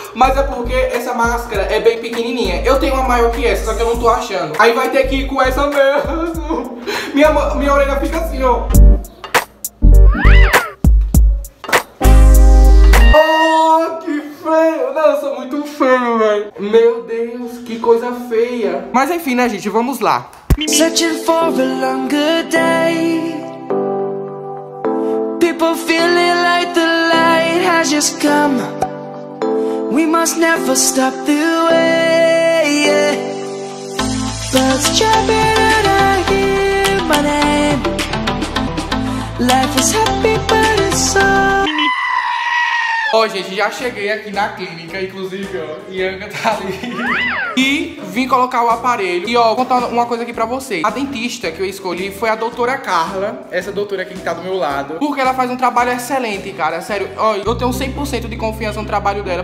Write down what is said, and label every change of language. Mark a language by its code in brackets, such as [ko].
[pt] Mas é porque essa máscara é bem pequenininha. Eu tenho uma maior que essa, só que eu não tô achando. Aí vai ter que ir com essa mesmo. Minha orelha fica assim, ó. Oh, que feio. Não, eu sou muito feio, velho. Meu Deus, que coisa feia. Mas enfim, né, gente, vamos lá. [en] Searching for a longer day. People feeling like the light has just come. We must never stop the way, yeah. Birds jumping and I hear my name. Life is happy but it's so. [pt] Ó, gente, já cheguei aqui na clínica, inclusive, ó, Ianga tá ali. E vim colocar o aparelho. E ó, vou contar uma coisa aqui pra vocês. A dentista que eu escolhi foi a doutora Carla. Essa doutora aqui que tá do meu lado. Porque ela faz um trabalho excelente, cara. Sério, ó, eu tenho 100% de confiança no trabalho dela.